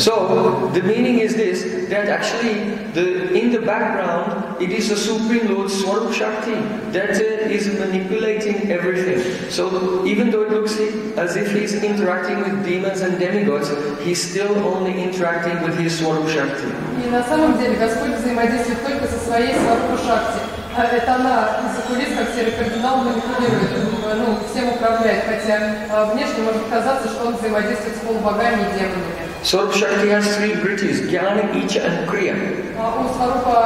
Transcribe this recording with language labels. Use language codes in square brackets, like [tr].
[en] So the meaning is this, that actually in the background it is the Supreme Lord Swarup Shakti that is manipulating everything. So even though it looks as if he's interacting with demons and demigods, he's still only interacting with his Swarup Shakti. [ru] Это она из-за кулис, как серый кардинал, манипулирует, всем управляет. Хотя внешне может казаться, что он взаимодействует с полубогами и демонами. [en] Swarupa Shakti has three grittis, Gyana, Icha and Kriya.